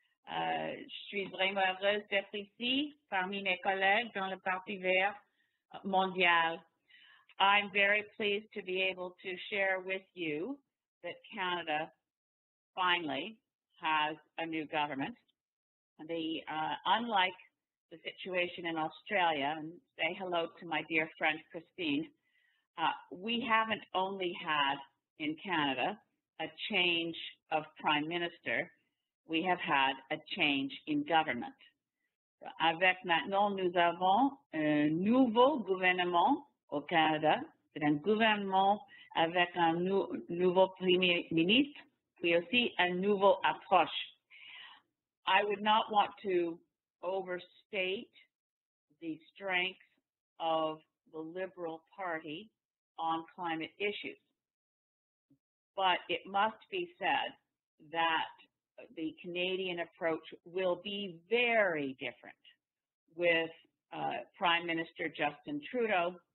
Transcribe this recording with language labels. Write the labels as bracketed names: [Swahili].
[French] Je suis vraiment heureuse d'être ici parmi mes collègues dans le Parti Vert mondial. [English] I'm very pleased to be able to share with you that Canada finally has a new government. Unlike the situation in Australia, and say hello to my dear friend Christine, we haven't only had in Canada a change of prime minister. We have had a change in government. [French] Avec maintenant, nous avons un nouveau gouvernement au Canada. C'est un gouvernement avec un nouveau premier ministre, puis aussi un nouveau approche. [English] I would not want to overstate the strength of the Liberal Party on climate issues, but it must be said that the Canadian approach will be very different with Prime Minister Justin Trudeau.